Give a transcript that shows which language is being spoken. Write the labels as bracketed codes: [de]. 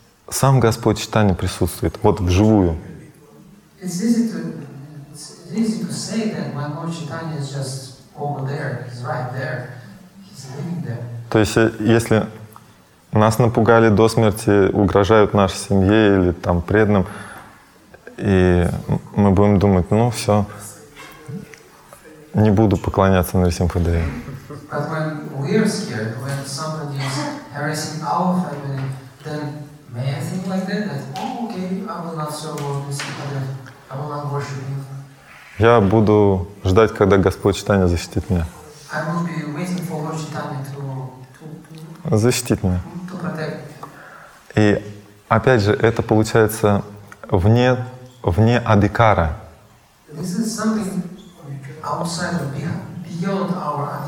[ru] сам Господь Чайтанья присутствует, вот вживую. То есть, если нас напугали до смерти, угрожают нашей семье или там преданным, и мы будем думать, ну все, не буду поклоняться Нарисимхадеве. [en] But when we are scared, when somebody is harassing our family, then may I think like that? That, oh, okay, I will not serve this God, I will not worship him. [ru] Я буду ждать, когда Господь Чайтанья защитит меня. [en] I will be waiting for Lord Chaitanya to [ru] защитит меня. [en] To protect. [ru] И опять же, это получается вне адикара. [en] This is something outside of Bihar.